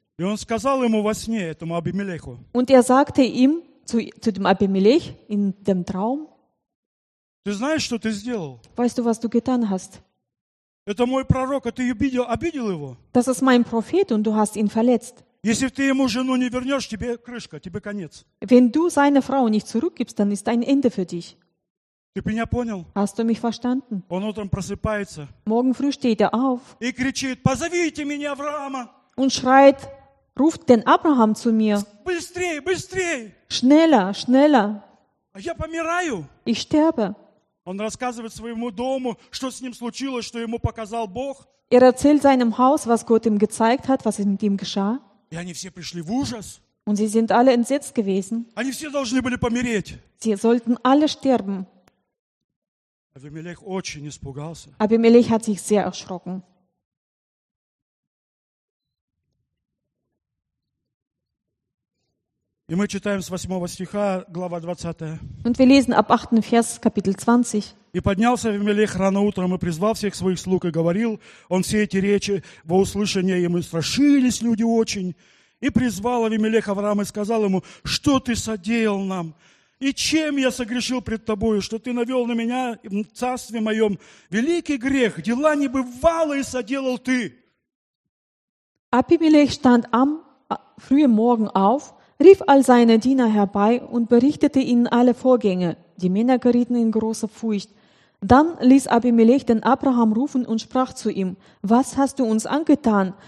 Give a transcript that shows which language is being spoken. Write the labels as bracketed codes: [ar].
[ru] И он сказал ему во сне, этому Абимелеху. [de] Und er sagte ihm zu dem Abimelech in dem Traum. [ru] Ты знаешь, что ты сделал? [de] Weißt du, was du getan hast? [ru] Это мой пророк, а ты обидел его? [de] Das ist mein Prophet und du hast ihn verletzt. [ru] Если ты ему жену не вернешь, тебе крышка, тебе конец. [de] Wenn du seine Frau nicht zurückgibst, dann ist ein Ende für dich. [ru] Ты меня понял? [de] Hast du mich verstanden? [ru] Он утром просыпается. [de] Morgen früh steht er auf. [ru] И кричит: «Позовите меня Авраама!» [de] Und schreit: «Ruft den Abraham zu mir!» [ru] Быстрее, быстрее! [de] Schneller, schneller! [ru] Я помираю. [de] Ich sterbe. [ru] Он рассказывает своему дому, что с ним случилось, что ему показал Бог. [de] Er erzählt seinem Haus, was Gott ihm gezeigt hat, was mit ihm geschah. [ru] И они все пришли в ужас. [de] Und sie sind alle entsetzt gewesen. [ru] Они все должны были помереть. [de] Sie sollten alle sterben. [ru] Абимелех очень испугался. [de] Абимелех hat sich sehr erschrocken. [ru] И мы читаем с 8 стиха, глава 20. [de] Und wir lesen ab 8. Vers, Kapitel 20. [ru] И поднялся Авимелех рано утром и призвал всех своих слуг и говорил. Он все эти речи во услышание ему страшились люди очень. И призвал Авимелех Авраама и сказал ему: «Что ты содеял нам? И чем я согрешил пред тобою, что ты навел на меня в царстве моем великий грех? Дела небывалые соделал ты». [de] Абимелех stand am frühen Morgen auf, rief all seine Diener herbei und berichtete ihnen alle Vorgänge. Die Männer gerieten in große Furcht. Dann ließ Abimelech den Abraham rufen und sprach zu ihm: «Was hast du uns angetan?